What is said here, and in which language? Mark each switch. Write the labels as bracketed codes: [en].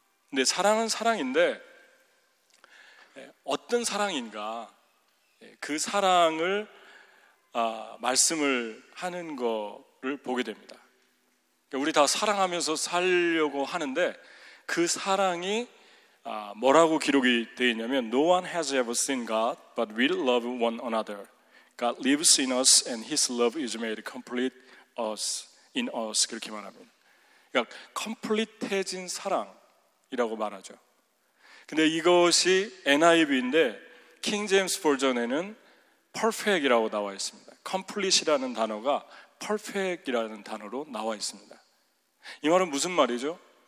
[ko] 근데 사랑은 사랑인데 어떤 사랑인가 그 사랑을 말씀을 하는 거를 보게 됩니다. 우리 다 사랑하면서 살려고 하는데 그 사랑이 뭐라고 기록이 되어 있냐면 [en] No one has ever seen God but we love one another. God lives in us and his love is made complete us in us. [ko] 그렇게 말합니다. 그러니까 컴플리트해진 사랑이라고 말하죠. 근데 이것이 NIV인데 킹 제임스 버전에는 perfect이라고 나와 있습니다. complete이라는 단어가 perfect이라는 단어로 나와 있습니다. 이 말은 무슨 말이죠?